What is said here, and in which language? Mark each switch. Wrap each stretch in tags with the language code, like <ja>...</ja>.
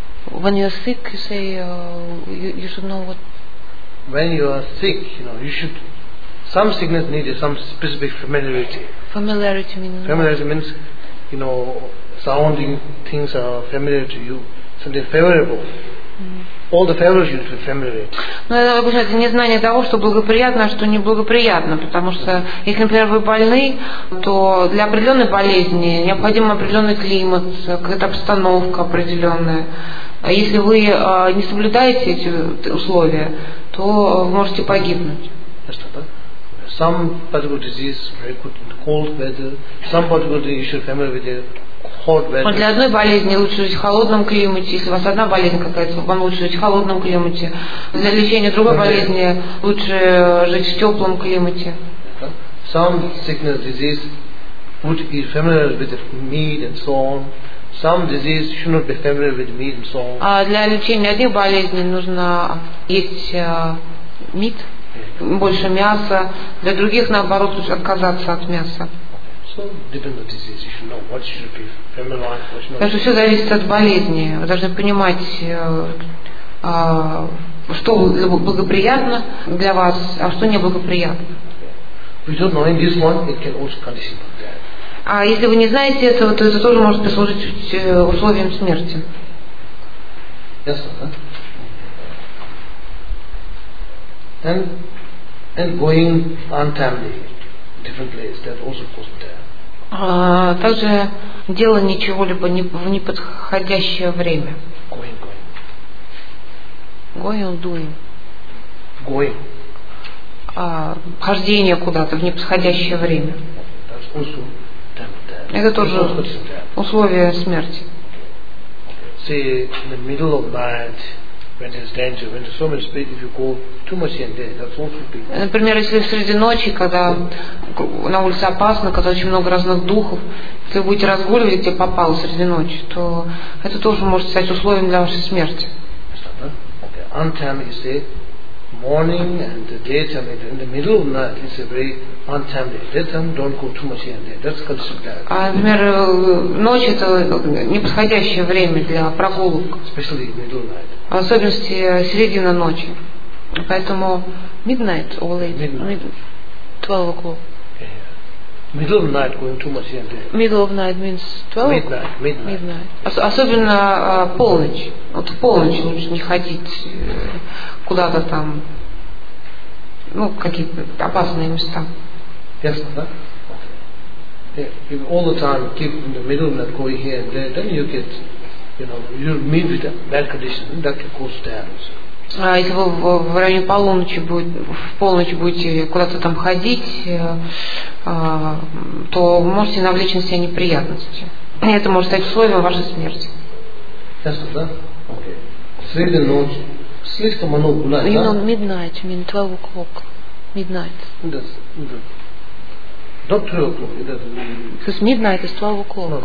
<en>When you're sick, you say you should know what. When you are sick, you know you should. Some sickness needs some specific familiarity. Familiarity means. Familiarity means, you know, surrounding things are familiar to you, something favorable. Mm-hmm. All the favorable should be familiar.</en> <ru>Ну это обычно незнание того, что благоприятно, а что неблагоприятно, потому что если, например, вы больны, то для определенной болезни необходим определенный климат, какая-то обстановка определенная. А если вы не соблюдаете эти условия, то вы можете погибнуть.</ru> <en>Some particular disease very good in cold weather. Some particular disease you should familiar with the hot weather.</en> <ru>Для одной болезни лучше жить в холодном климате. Если у вас одна болезнь какая-то, вам лучше жить в холодном климате. Для лечения другой болезни лучше жить в теплом климате.</ru> <en>Some sickness disease would be familiar with the meat and so on. Some disease should not be familiar with meat and so on.</en> <ru>А для лечения одних болезней нужно есть мид, больше мяса. Для других, наоборот, лучше отказаться от мяса.</ru> <en>So depending on the disease, you should know what should be familiarized.</en> <ru>Потому что все зависит от болезни. Вы должны понимать, что благоприятно для вас, а что неблагоприятно.</ru> <en>We don't know in this one, it can also condition that.</en> <ru>А если вы не знаете этого, то это тоже может послужить условием смерти.</ru> <en>Yes, huh? And going untimely to different place, that also goes there.</en> <ru>Также дело ничего-либо в неподходящее время.</ru> <en>Going, doing. Going.</en> <ru>Хождение куда-то в неподходящее время.</ru> <en>That's also.</en> <ru>Это тоже условие смерти.</ru> <en>See, in the middle of night, when there's danger, when there's so many spirits, if you go too much in there, that's also big.</en> <ru>Например, если в среди ночи, когда на улице опасно, когда очень много разных духов, если вы будете разгуливать, где попало среди ночи, то это тоже может стать условием для вашей смерти.</ru> <en>Okay. Untimely, you see, morning and the daytime, in the middle of night, it's a very untimely. Daytime, don't go too much in there. That's considered bad.</en> <ru>А, например, ночь это неподходящее время для прогулок.</ru> <en>Especially in middle of night.</en> <ru>В особенности середина ночи. Поэтому</ru> <en>midnight or late. Midnight. 12 o'clock. Yeah. Middle of night, going too much in there. Middle of night means 12. Midnight.</en> <ru>Особенно полночь. Вот в полночь лучше не ходить. Куда-то там, ну, какие-то опасные места. Ясно, да? Okay.</ru> <en>If all the time keep in the middle of that going here and there, then you get, you know, you meet with a bad condition, that can cause damage.</en> <ru>А если вы в районе полуночи будете, в полночь будете куда-то там ходить, то вы можете навлечь на себя неприятности. И это может стать условием вашей смерти. Ясно, да? Окей. Okay. Среди ночи. Слишком много гулять,</ru> <en>you</en> <ru>да?</ru> <en>You know, midnight, I mean 12 o'clock. Midnight. Yes, not 12 o'clock. Because midnight is 12 o'clock.</en>